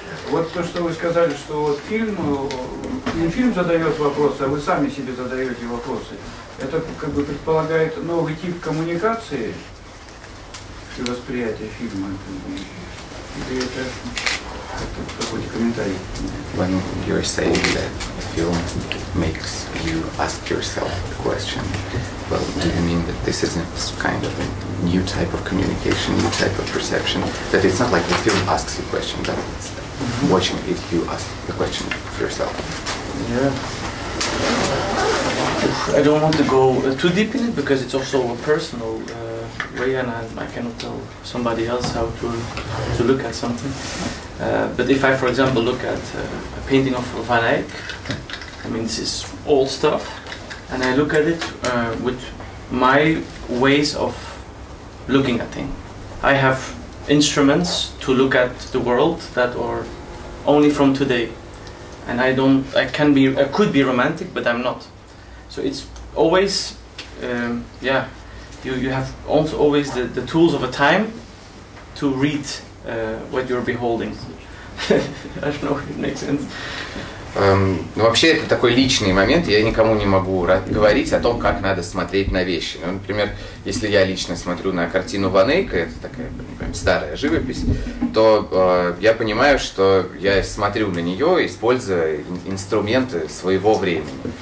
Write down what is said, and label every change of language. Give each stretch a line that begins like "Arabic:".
Russian: Вот то, что вы сказали, что вот фильм, не фильм задает вопросы, а вы сами себе задаете вопросы. Это как бы предполагает новый тип коммуникации и восприятия фильма. Или это какой-то комментарий?
English: When you're saying that film makes you ask yourself a question, well, do you mean that this is a kind of a new type of communication, new type of perception? That it's not like the film asks you a question, but it's watching it, you ask the question for yourself. Yeah. I don't want to go too deep in it because it's also a personal way, and I cannot tell somebody else how to look at something. But if I, for example, look at a painting of Van Eyck, I mean, this is old stuff, and I look at it with my ways of looking at things. I have instruments to look at the world that are only from today, and I could be romantic, but I'm not. So it's always, you have also always the tools of a time to read what you're beholding. I don't know if it makes sense.
Russian: Вообще это такой личный момент, я никому не могу говорить о том, как надо смотреть на вещи. Ну, например, если я лично смотрю на картину Ван Эйка, это такая прям старая живопись, то я понимаю, что я смотрю на нее, используя инструменты своего времени.